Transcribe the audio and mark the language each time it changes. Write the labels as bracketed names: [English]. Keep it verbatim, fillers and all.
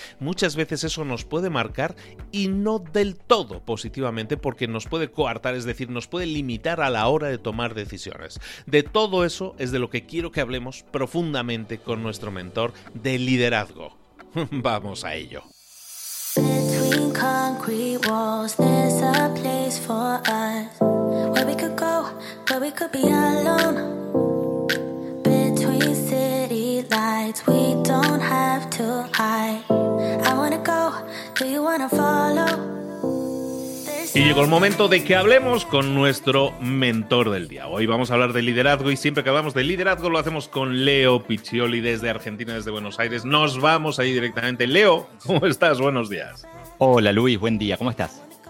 [Spanish] Muchas veces eso nos puede marcar y no del todo positivamente porque nos puede coartar, es decir, nos puede limitar a la hora de tomar decisiones. De todo eso es de lo que quiero que hablemos profundamente con nuestro mentor de liderazgo. Vamos a ello. [English] Between concrete walls, there's a place for us, where we could go, where we could be alone. Between city lights, we don't have to hide. I wanna go, do you wanna follow? [Spanish] Y llegó el momento de que hablemos con nuestro mentor del día. Hoy vamos a hablar de liderazgo y siempre que hablamos de liderazgo lo hacemos con Leo Piccioli desde Argentina, desde Buenos Aires. Nos vamos ahí directamente. Leo, ¿cómo estás? Buenos días. Hola Luis, buen día, ¿cómo estás?